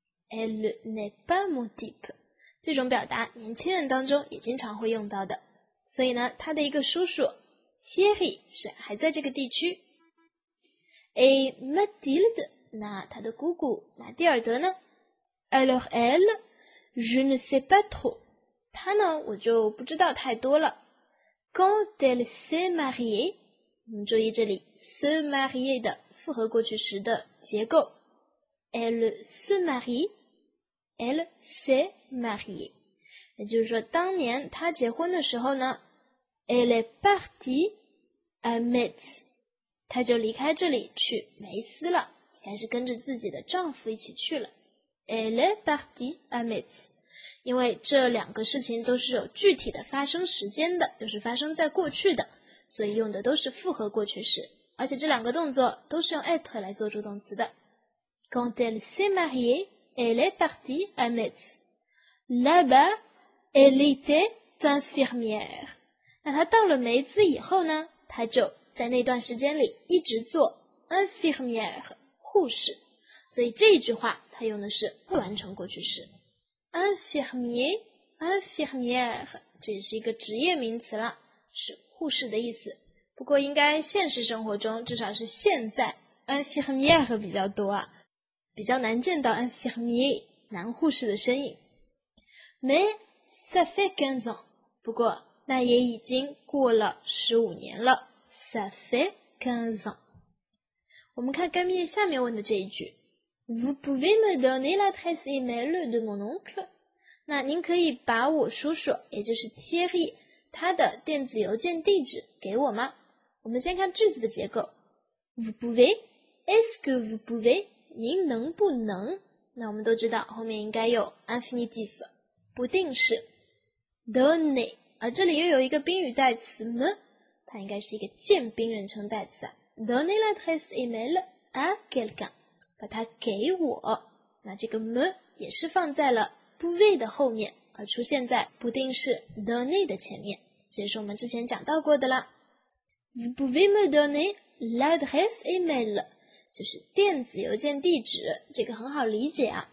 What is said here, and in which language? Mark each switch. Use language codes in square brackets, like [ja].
[fr] Elle n'est pas mon type. [zh] 这种表达年轻人当中也经常会用到的。所以呢，他的一个叔叔 Thierry 是还在这个地区。 Et Mathilde, 那他的姑姑马蒂尔德呢？ [fr] Alors elle, je ne sais pas trop. [zh] 他呢，我就不知道太多了。 [fr] Quand elle s'est mariée, [zh] 你注意这里 se marier 的复合过去时的结构。 [fr] Elle se marie, elle s'est mariée. [zh] 也就是说当年她结婚的时候呢， [fr] elle est partie à Metz. [zh] 她就离开这里去梅斯了，还是跟着自己的丈夫一起去了。 [fr] Elle est partie à Metz. [zh] 因为这两个事情都是有具体的发生时间的，都是发生在过去的，所以用的都是复合过去式而且这两个动作都是用 être 来做助动词的。 [fr] Quand elle s'est mariée, elle est partie à Metz. Là-bas, elle était infirmière. [zh] 那她到了梅兹以后呢，她就在那段时间里一直做 infirmière 护士。所以这一句话她用的是未完成过去式。Infirmière, 这也是一个职业名词了，是护士的意思。不过应该现实生活中，至少是现在 infirmière 比较多啊，比较难见到 infirmière 男护士的身影。 [fr] Mais ça fait 15 ans, [zh] 不过那也已经过了15年了。 [fr] Ça fait 15 ans. [zh] 我们看干面下面问的这一句。 [fr] Vous pouvez me donner l'adresse email de mon oncle? [zh] 那您可以把我叔叔，也就是 Thierry, 他的电子邮件地址给我吗？我们先看句子的结构。 [fr] Vous pouvez? Est-ce que vous pouvez? [zh] 您能不能？那我们都知道后面应该有 infinitif, 不定式。 Donner, 而这里又有一个宾语代词 me, 它应该是一个见宾人称代词啊。 [fr] Donner l'adresse email à quelqu'un. [zh] 把它给我，那这个 me 也是放在了 pouvez 的后面，而出现在不定式 donner 的前面，这也是我们之前讲到过的啦。 [fr] Vous pouvez me donner l'adresse email [zh] 就是电子邮件地址，这个很好理解啊。